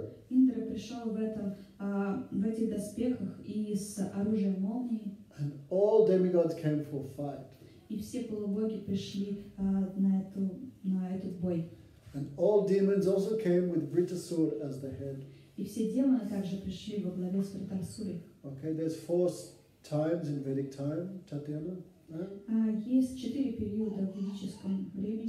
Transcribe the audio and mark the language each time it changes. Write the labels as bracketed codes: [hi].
[ru] Индра пришел в этом в этих доспехах и с оружием молнии. [en] And all demigods came for fight. [ru] И все полубоги пришли на этот бой. [en] And all demons also came with Vritasura as the head. [ru] И все демоны также пришли во главе с Вритасурой. [en] Okay, there's four times in Vedic time, Tatiana. [ru] Есть четыре периода в ведическом времени.